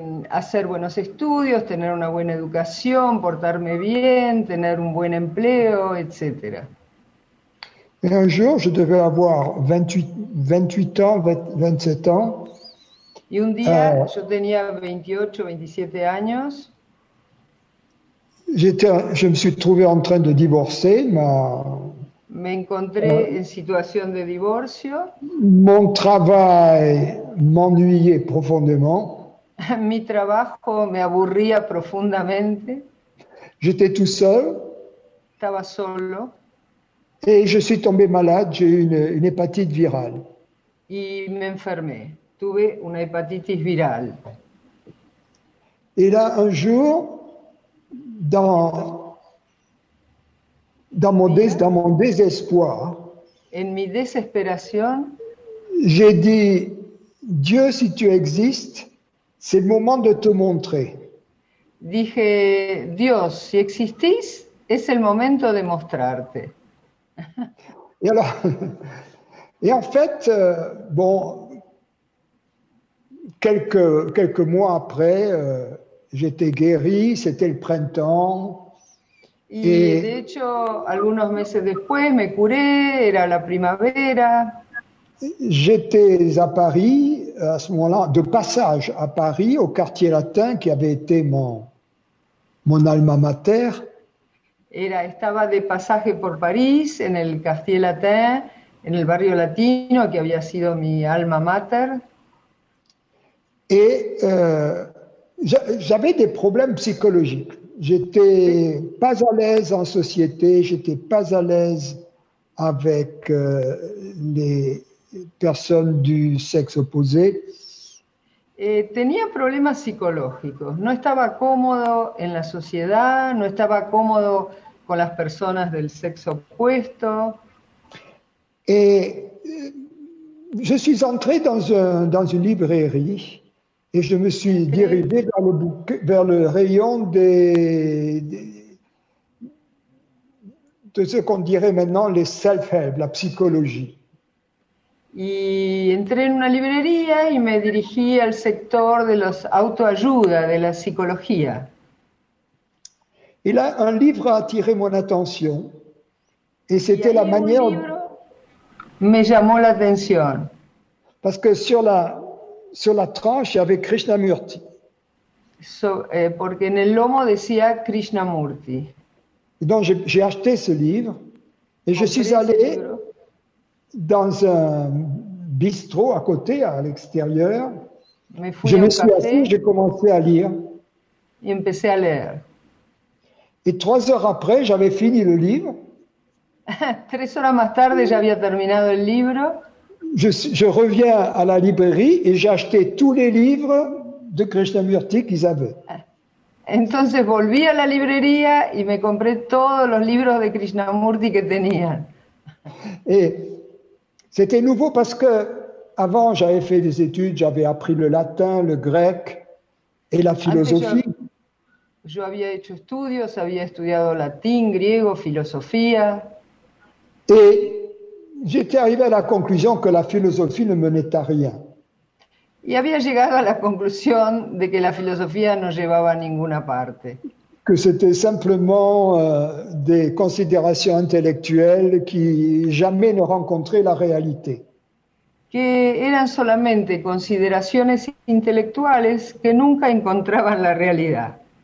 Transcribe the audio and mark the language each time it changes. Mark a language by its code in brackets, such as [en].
[es] hacer buenos estudios, tener una buena educación, portarme bien, tener un buen empleo, etc. [fr] Et un jour, je devais avoir 27 ans. [es] Y un día, yo tenía 28, 27 años. [fr] Je me suis trouvé en train de divorcer. [es] Me encontré en situación de divorcio. [fr] Mon travail m'ennuyait profondément. [es] Mi trabajo me aburría profundamente. [fr] J'étais tout seul. [es] Estaba solo. [fr] Et je suis tombé malade, j'ai eu une hépatite virale. [es] Y me enfermé. Tuve una hepatitis viral. [fr] Et là, un jour, dans mon désespoir, [es] en mi desesperación, [fr] j'ai dit, Dieu, si tu existes, c'est le moment de te montrer. [es] Dije, Dios, si existís, es el momento de mostrarte. [fr] Et alors, et en fait, bon, quelques mois après, j'étais guéri, c'était le printemps. [es] Et de hecho, algunos meses después, me curé, era la primavera. [fr] J'étais à Paris, à ce moment-là, de passage à Paris, au quartier latin, qui avait été mon alma mater. [es] Estaba de pasaje por París, en el quartier latin, en el barrio latino, que había sido mi alma mater. [fr] Et j'avais des problèmes psychologiques. J'étais pas à l'aise en société, j'étais pas à l'aise avec les personnes du sexe opposé. [es] Tenía problemas psicológicos. No estaba cómodo en la sociedad, no estaba cómodo con las personas del sexo opuesto. [fr] Et je suis entré dans une librairie. Et je me suis dirigé vers le rayon de ce qu'on dirait maintenant les self-help, la psychologie. [es] Y entré en una librería y me dirigí al sector de los autoayuda, de la psicología. [fr] Y là, un livre a attiré mon attention. Et c'était la manière. [es] Un libro me llamó la atención. [fr] Parce que sur la tranche, il y avait Krishnamurti. [es] Porque en el lomo decía Krishnamurti. [fr] Donc, j'ai acheté ce livre et je suis allé dans un bistrot à côté, à l'extérieur. Je me suis assis, j'ai commencé à lire. [es] Y empecé a leer. [fr] Et 3 heures après, j'avais fini le livre. [es] 3 horas más tarde, [fr] j'avais [es] terminado el libro. [fr] Je reviens à la librairie et j'ai acheté tous les livres de Krishnamurti qu'ils avaient. [es] Entonces volví a la librería y me compré todos los libros de Krishnamurti que tenían. [fr] Et c'était nouveau parce que avant j'avais fait des études, j'avais appris le latin, le grec et la philosophie. [es] Yo había hecho estudios, había estudiado latín, griego, filosofía. [fr] Et j'étais arrivé à la conclusion que la philosophie ne menait à rien. [es] Y había llegado a la conclusión de que la filosofía no llevaba a ninguna parte. [fr] Que c'était simplement des considérations intellectuelles qui jamais ne rencontraient la réalité. [es] Que eran solamente consideraciones intelectuales que nunca encontraban la realidad.